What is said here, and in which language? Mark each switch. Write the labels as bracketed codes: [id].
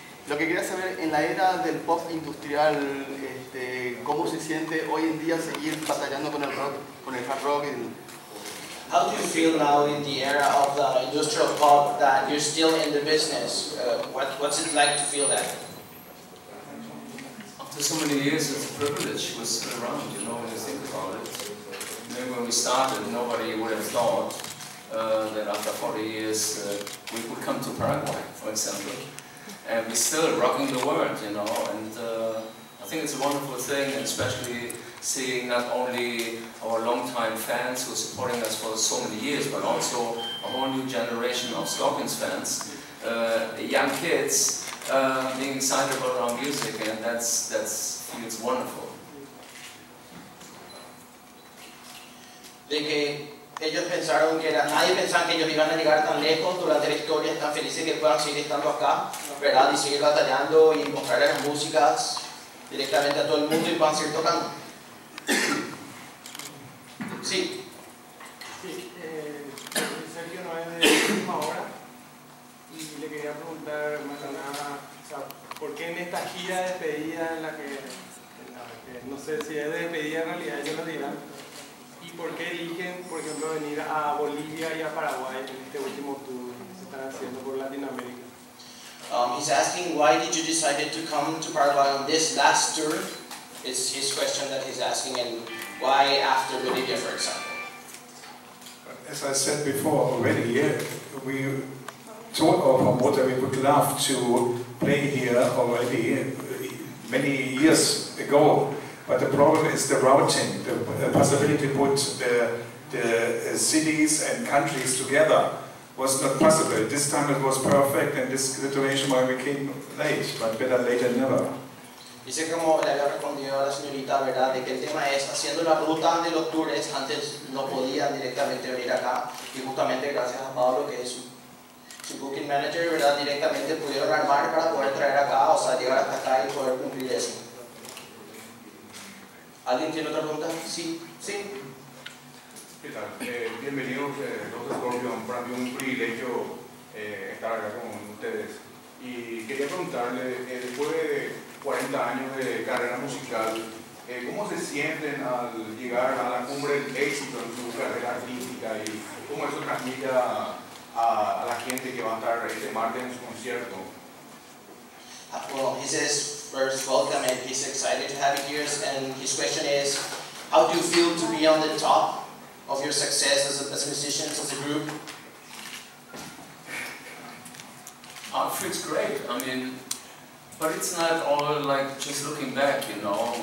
[es] Lo que quería saber, en la era del pop industrial, ¿cómo se siente hoy en día seguir batallando con el rock, con el hard rock? [en] How do you feel now in the era of the industrial pop that you're still in the business? What's it like to feel that? After so many years, it's a privilege was around, you know, when you think about it. Maybe when we started, nobody would have thought that after 40 years, we would come to Paraguay, for example. And we're still rocking the world, you know, and I think it's a wonderful thing, and especially seeing not only our longtime fans who are supporting us for so many years, but also a whole new generation of Scorpions fans, young kids being excited about our music, and that's I think it's wonderful. [es] De que ellos pensaron que era, nadie pensaba que ellos iban a llegar tan lejos durante la historia, están felices que puedan seguir estando acá, ¿verdad? Y seguir batallando y mostrar las músicas directamente a todo el mundo y van a seguir tocando. Sí. Sí, Sergio no es de última hora y le quería preguntar más que nada, o sea, ¿por qué en esta gira de despedida en la que, no sé si es de despedida en realidad, ellos lo dirán, y por qué eligen, por ejemplo, venir a Bolivia y a Paraguay en este último tour que se están haciendo por Latinoamérica? [en] He's asking why did you decide to come to Paraguay on this last tour? It's his question that he's asking, and why after Bolivia, for example? As I said before already, yeah, we thought of a motor we would love to play here already many years ago. But the problem is the routing, the possibility to put the cities and countries together was not possible. This time it was perfect, and this situation why we came late, but better late than never. [es] Dice como le había respondido a la señorita, ¿verdad? De que el tema es, haciendo la ruta de los tours, antes no podían directamente venir acá. Y justamente gracias a Pablo, que es su booking manager, ¿verdad? Directamente pudieron armar para poder traer acá, o sea, llegar hasta acá y poder cumplir eso. ¿Alguien tiene otra pregunta? Sí, sí. ¿Qué tal? Bienvenidos, Dr. Scorpion. Para mí es un privilegio estar acá con ustedes. Y quería preguntarle, después de 40 años de carrera musical, ¿cómo se sienten al llegar a la cumbre del éxito en su carrera artística y cómo eso transmite a la gente que va a estar este martes en su concierto? [en] Well, he says, first, welcome, and he's excited to have you here. And his question is, how do you feel to be on the top of your success as a musician, as a group? It feels great. I mean, but it's not all like just looking back, you know.